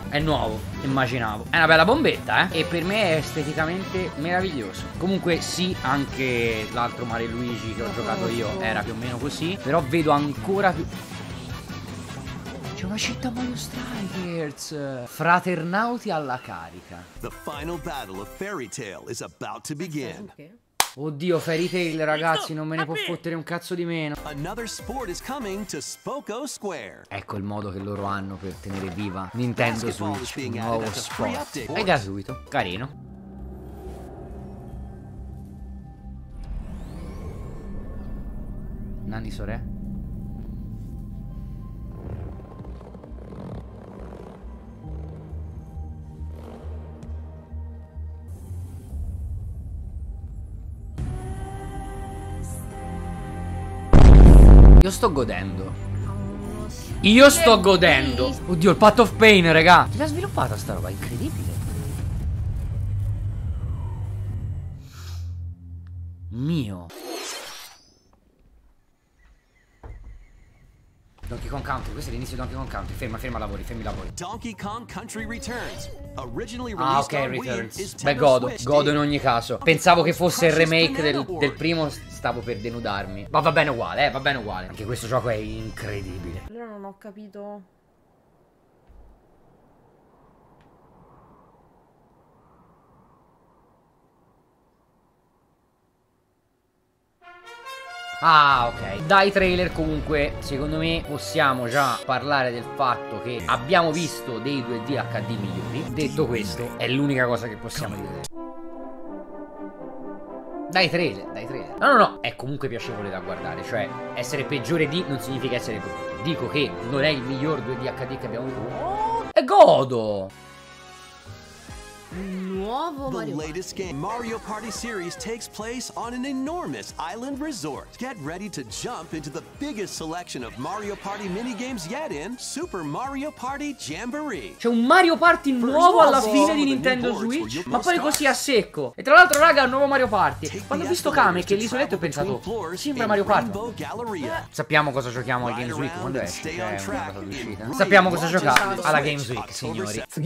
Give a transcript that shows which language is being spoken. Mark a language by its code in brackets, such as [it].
[it] È nuovo, immaginavo. È una bella bombetta, eh. E per me è esteticamente meraviglioso. Comunque sì, anche l'altro Mario Luigi che ho giocato io era più o meno così. Però vedo ancora più. C'è una città Mario Strikers. Fraternauti alla carica. [en] The final battle of Fairy Tail is about to begin. [it] Oddio, Fairy Tail, ragazzi, non me ne può fottere un cazzo di meno. [en] Another sport is coming to Spoko Square. [it] Ecco il modo che loro hanno per tenere viva Nintendo Switch. Un nuovo sport. È gratuito, carino. [ja] Nani Sore. [it] Io sto godendo. Io sto godendo. Oddio, il Path of Pain, raga. Chi l'ha sviluppata sta roba? Incredibile. Mio. Donkey Kong Country, questo è l'inizio di Donkey Kong Country. Ferma, lavori, fermi i lavori. Donkey Kong Country Returns. [en] Originally released on Wii. [it] Beh, godo in ogni caso. Pensavo che fosse il remake del primo, stavo per denudarmi. Ma va bene uguale, va bene uguale. Anche questo gioco è incredibile. Però non ho capito. Ah, ok. Dai trailer, comunque, secondo me possiamo già parlare del fatto che abbiamo visto dei 2D HD migliori. Detto questo, è l'unica cosa che possiamo dire. Dai trailer. No, è comunque piacevole da guardare. Cioè, essere peggiore di non significa essere brutto. Dico che non è il miglior 2D HD che abbiamo avuto. E godo! Nuovo Mario. [en] The latest game Mario Party series takes place on an enormous island resort. Get ready to jump into the biggest selection of Mario Party minigames yet in Super Mario Party Jamboree. [it] C'è un Mario Party nuovo alla fine di Nintendo Switch, ma poi così a secco. E tra l'altro, raga, un nuovo Mario Party. Quando ho visto Kame, che l'isoletto, ho pensato, sembra Mario Party. Sappiamo cosa giochiamo al Games Week, quando è? Sappiamo cosa giocare alla Games Week, signori.